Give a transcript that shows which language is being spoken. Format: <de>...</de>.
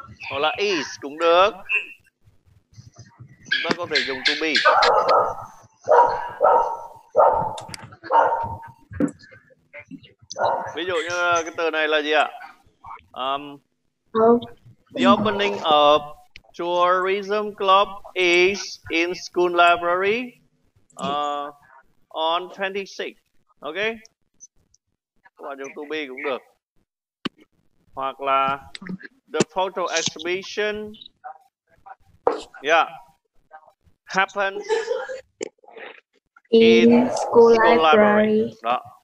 <vi>Hoặc là is cũng được. Chúng ta có thể dùng to be. Ví dụ như cái từ này là gì ạ?</vi> <en>The opening of Tourism Club is in school library on 26. Ok.</en> <vi>Các bạn dùng to be cũng được. Hoặc là</vi> <en>the photo exhibition happens in school library.</en> <vi>Đó.</vi>